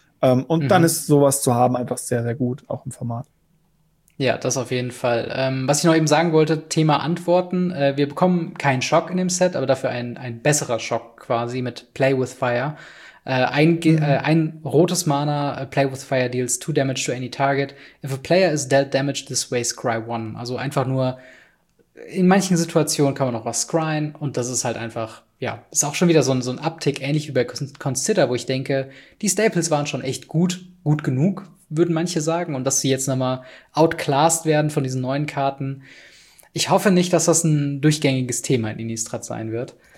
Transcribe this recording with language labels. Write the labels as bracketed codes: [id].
[de] Und dann ist sowas zu haben einfach sehr, sehr gut, auch im Format. Ja, das auf jeden Fall. Was ich noch eben sagen wollte, Thema Antworten. Wir bekommen keinen Schock in dem Set, aber dafür ein besserer Schock quasi mit Play with Fire. Ein rotes Mana, [en] Play with Fire deals 2 damage to any target. If a player is dealt damage this way, scry 1. [de] Also einfach nur, in manchen Situationen kann man noch was scryen. Und das ist halt einfach, ja, ist auch schon wieder so ein Uptick, ähnlich wie bei Consider, wo ich denke, die Staples waren schon echt gut genug, würden manche sagen. Und dass sie jetzt noch mal outclassed werden von diesen neuen Karten. Ich hoffe nicht, dass das ein durchgängiges Thema in Innistrad sein wird.